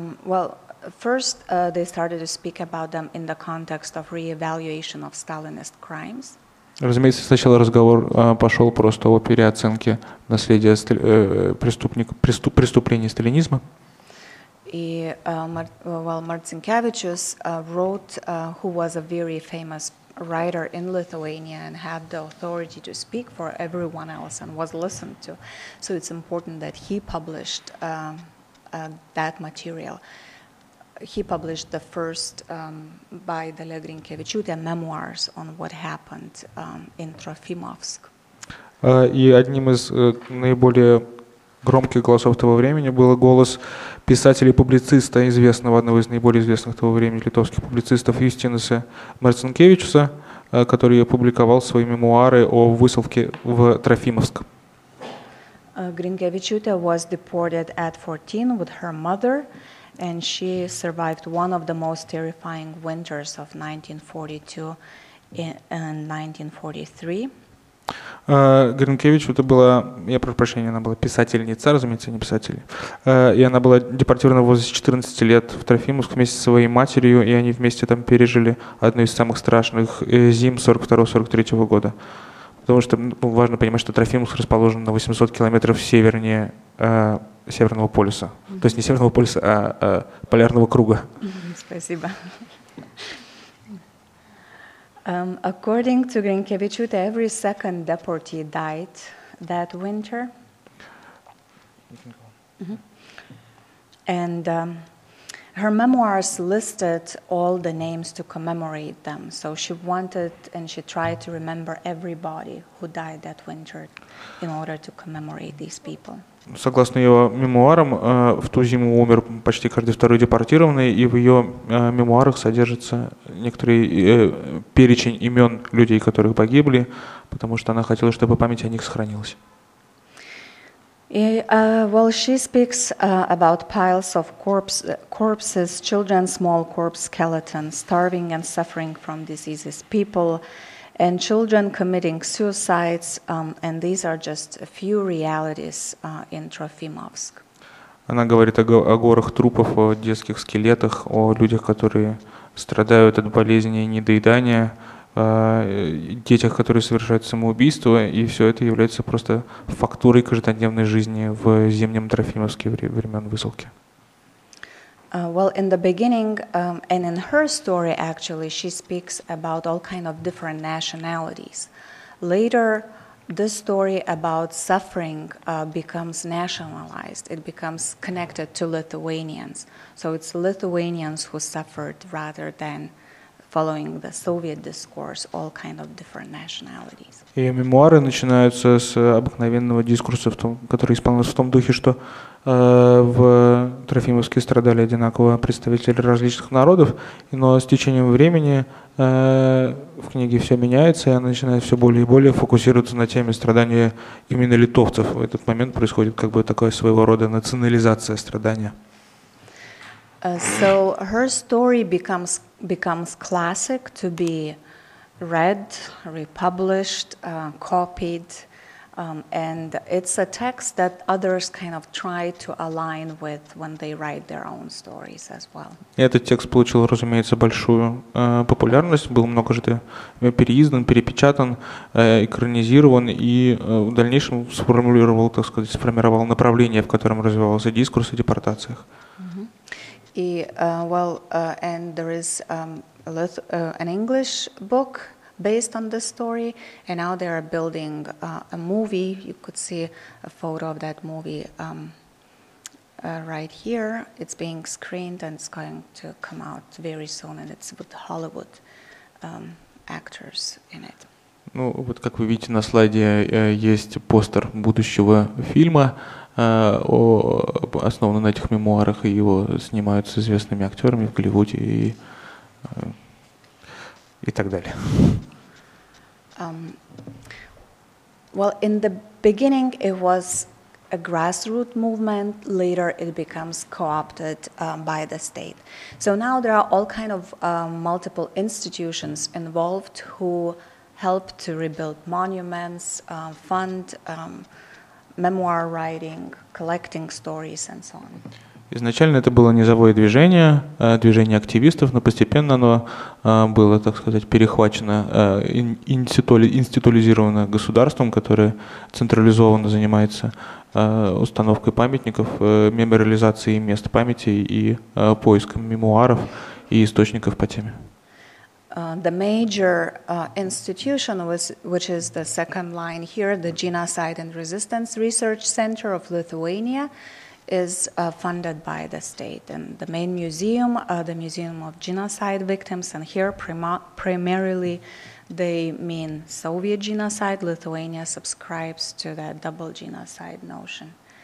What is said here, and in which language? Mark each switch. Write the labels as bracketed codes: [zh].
[en] Well, first they started to speak about them in the context of re-evaluation of Stalinist crimes. [ru] Разумеется, сначала разговор пошел просто о переоценке наследия преступлений сталинизма. И, [en] Marcinkevičius wrote, who was a very famous writer in Lithuania and had the authority to speak for everyone else and was listened to. So it's important that he published that material. He published the first by Dalia Grinkevičiūtė memoirs on what happened in Trofimovsk. [ru] И одним из наиболее громких голосов того времени был голос писателя-публициста, известного, одного из наиболее известных того времени литовских публицистов Юстинаса Марцинкевичуса, который опубликовал свои мемуары о высылке в Трофимовск. [en] Grinkevičiūtė was deported at 14 with her mother, and she survived one of the most terrifying winters of 1942 and 1943. [ru] Grinkevičiūtė была, я прошу прощения, она была писательница, разумеется, не писатель. И она была депортирована в возрасте 14 лет в Трофимовск вместе со своей матерью, и они вместе там пережили одну из самых страшных зим 42-43 года. Потому что важно понимать, что Трофимовск расположен на 800 километров севернее Северного полюса. Mm-hmm. То есть не Северного полюса, а Полярного круга. Mm-hmm. Спасибо. [en] According to Grinkevičiūtė, every second deportee died that winter. Mm-hmm. And her memoirs listed all the names to commemorate them. So she wanted and she tried to remember everybody who died that winter in order to commemorate these people. [ru] Согласно ее мемуарам, в ту зиму умер почти каждый второй депортированный, и в ее мемуарах содержится некоторый перечень имен людей, которых погибли, потому что она хотела, чтобы память о них сохранилась. [en] Well, she speaks about piles of corpses, children, small corpse skeletons, starving and suffering from diseases, people, and children committing suicides, and these are just a few realities in Trofimovsk. [ru] Она говорит о горах трупов, о детских скелетах, о людях, которые страдают от болезней недоедания, детях, которые совершают самоубийство, и все это является просто фактурой каждодневной жизни в зимнем Трофимовске времен высылки. [en] Well, in the beginning, and in her story, actually, she speaks about all kind of different nationalities. Later, this story about suffering becomes nationalized. It becomes connected to Lithuanians. So it's Lithuanians who suffered rather than following the Soviet discourse, all kind of different nationalities. [ru] Ее мемуары начинаются с обыкновенного дискурса, который исполнялся в том духе, что в Трофимовске страдали одинаково представители различных народов, но с течением времени в книге все меняется, и она начинает все более и более фокусироваться на теме страдания именно литовцев. В этот момент происходит как бы такая своего рода национализация страдания. [en] So her story becomes classic to be read, republished, copied, and it's a text that others kind of try to align with when they write their own stories as well. [ru] Этот текст получил, разумеется, большую популярность, был многожды переиздан, перепечатан, экранизирован и в дальнейшем сформулировал, так сказать, сформировал направление, в котором развивался дискурс о депортациях. И, [en] and there is an English book based on this story, and now they are building a movie. You could see a photo of that movie right here. It's being screened and it's going to come out very soon, and it's with Hollywood actors in it. [ru] Ну, вот как вы видите на слайде, есть постер будущего фильма, основанный на этих мемуарах, и его снимают с известными актерами в Голливуде и так далее. [en] Well, in the beginning it was a grassroots movement, later it becomes co-opted by the state. So now there are all kind of multiple institutions involved who help to rebuild monuments, fund memoir writing, collecting stories and so on. [ru] Изначально это было низовое движение, движение активистов, но постепенно оно было, так сказать, перехвачено, институализировано государством, которое централизованно занимается установкой памятников, мемориализацией мест памяти и поиском мемуаров и источников по теме. [en] The major institution was, which is the second line here, the Genocide and Resistance Research Center of Lithuania, is funded by the state. And the main museum, the Museum of Genocide Victims, and here primarily they mean Soviet genocide. Lithuania subscribes to that double genocide notion